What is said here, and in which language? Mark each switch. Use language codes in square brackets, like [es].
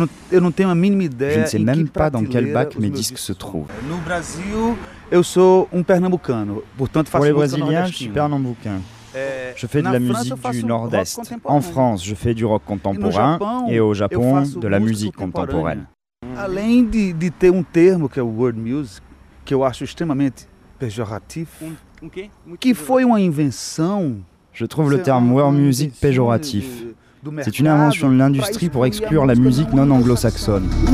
[fr] Je ne sais même pas dans quel bac mes disques se trouvent. Pour les Brésiliens, je suis pernambucain. Je fais de la musique du Nord-Est. En France, je fais du rock contemporain et au Japon, de la musique contemporaine. [pt] Além de ter um termo que é o world music, que eu acho extremamente péjoratif, que foi uma invenção. [fr] Je trouve le terme world music péjoratif. C'est une invention de l'industrie pour exclure la musique non anglo-saxonne.